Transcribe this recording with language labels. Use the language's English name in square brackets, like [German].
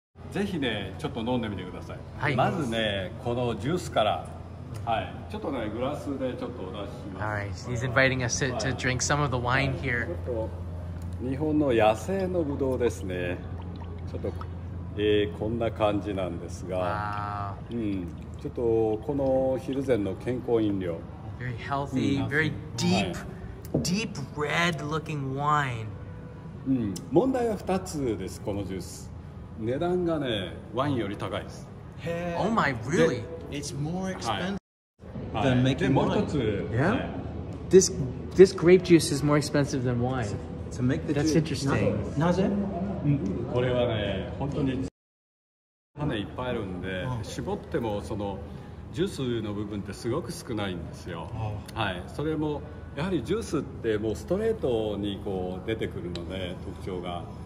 [Japanese] ぜひね、ちょっと飲んでみてください。はい、まずね、このジュースから、はい、ちょっとね、グラスでちょっとお出しします。 [English] All right. He's inviting us to drink some of the wine here. [Japanese] ちょっと日本の野生のブドウですね。ちょっと、こんな感じなんですが、 [English] wow. [Japanese] うん、ちょっとこのヒルゼンの健康飲料。 [English] Very healthy, very deep,、はい、deep red looking wine. [Japanese] うん、問題は2つです、このジュース。値段がね、ワインより高いです。 [English] Hey. Oh my, really? It's more expensive than making wine. [Japanese] で、もう一つ。 [English] Yeah? This grape juice is more expensive than wine. To make the juice. That's interesting. [Japanese] なぜ？これはね、本当に種いっぱいあるんで、絞ってもそのジュースの部分ってすごく少ないんですよ。はい、それもやはりジュースってもうストレートにこう出てくるので、特徴が。